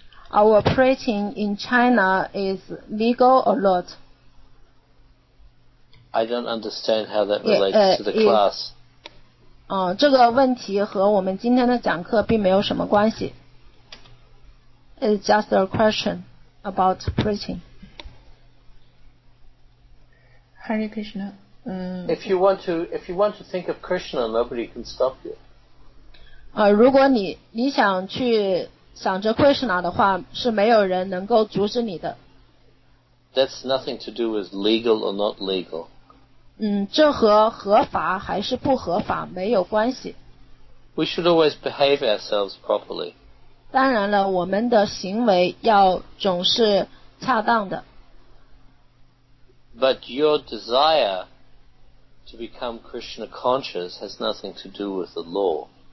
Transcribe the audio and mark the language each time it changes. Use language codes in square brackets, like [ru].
[en] Our preaching in China is legal or not? I don't understand how that relates to the class. [zh] 这个问题和我们今天的讲课并没有什么关系。 [en] It's just a question about preaching. Hare Krishna. If you want to think of Krishna, nobody can stop you. [zh] 如果你想去想着 Krishna 的话，是没有人能够阻止你的。 [en] That's nothing to do with legal or not legal. [zh] 这和合法还是不合法没有关系。 [en] We should always behave ourselves properly. [zh] 当然了，我们的行为要总是恰当的。 [en] But your desire... To become Krishna conscious has nothing to do with the law.